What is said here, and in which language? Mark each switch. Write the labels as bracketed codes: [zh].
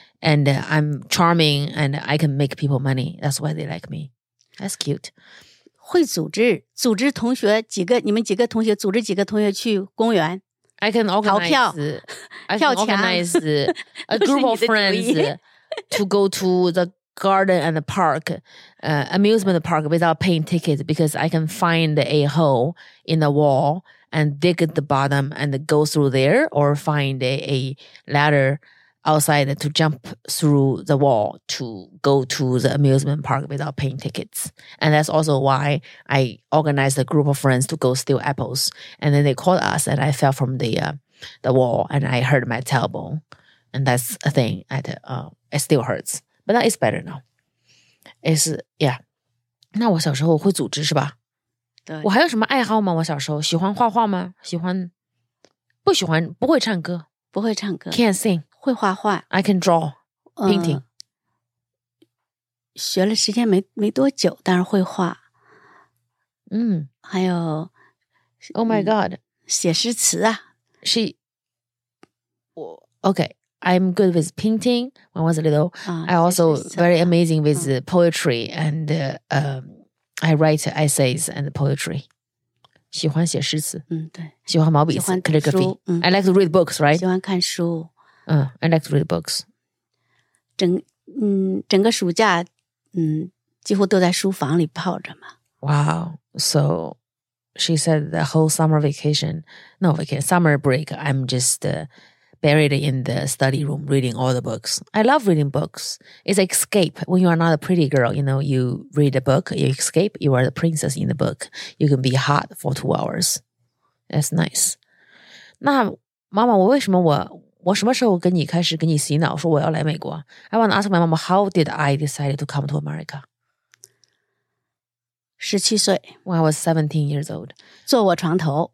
[en] And I'm charming and I can make people money. That's why they like me. That's cute. [zh] 会组织，组织同学几个，你们几个同学组织几个同学去公园。 [en] I can organize, [zh] 逃票, [en] I can organize a group of friends to go to the garden and the park, amusement park without paying tickets, because I can find a hole in the wall and dig at the bottom and go through there, or find a ladder outside to jump through the wall to go to the amusement park without paying tickets. And that's also why I organized a group of friends to go steal apples. And then they called us and I fell from the wall and I hurt my tailbone. And that's a thing that it still hurts. But that is better now. It's, yeah. [zh] 那我小时候会组织是吧？对。我还有什么爱好吗？我小时候喜欢画画吗？喜欢？不喜欢？不会唱歌？不会唱歌。 [en] Can't sing. [zh] 会画画。 [en] I can draw. Painting. [zh] 学了时间没多久，但是会画。嗯。还有。 [en] Oh my God. [zh] 写诗词啊。 [en] She. [zh] 我 [en] Okay. I'm good with painting when I was little. I also very amazing with poetry and I write essays and poetry. [zh] 喜欢写诗词。嗯，对。喜欢毛笔字 calligraphy. [en] I like to read books, right? [zh] 喜欢看书。 [en] I like to read books. [zh] 整个暑假几乎都在书房里泡着嘛。 [en] Wow. So she said the whole summer vacation, no vacation, summer break, I'm just... buried in the study room, reading all the books. I love reading books. It's an escape. When you are not a pretty girl, you know, you read a book, you escape, you are the princess in the book. You can be hot for 2 hours. That's nice. [zh] 那妈妈，我为什么我什么时候跟你开始给你洗脑说我要来美国？ [en] I want to ask my mom, how did I decide to come to America? [zh] 17岁。 [en] When I was 17 years old. [zh] 坐我床头。